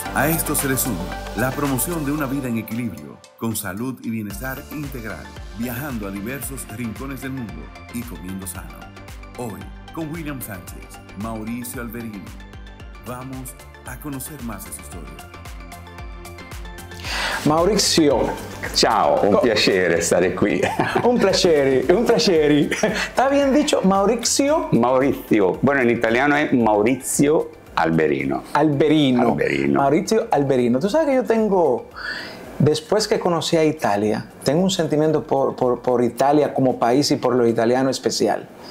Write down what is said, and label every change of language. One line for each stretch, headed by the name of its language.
Spanish: A esto se le suma la promoción de una vida en equilibrio, con salud y bienestar integral, viajando a diversos rincones del mundo y comiendo sano. Hoy, con William Sánchez, Maurizio Alberini, vamos a conocer más de su historia. Maurizio.
Italian: Ciao, un piacere stare qui. Un piacere.
Spanish: Está bien dicho, Maurizio. Maurizio. Bueno, en italiano es Maurizio Alberino. Alberino. Maurizio Alberino. Tú sabes que yo tengo, después que conocí a Italia, tengo un sentimiento por Italia como país y por lo italiano especial.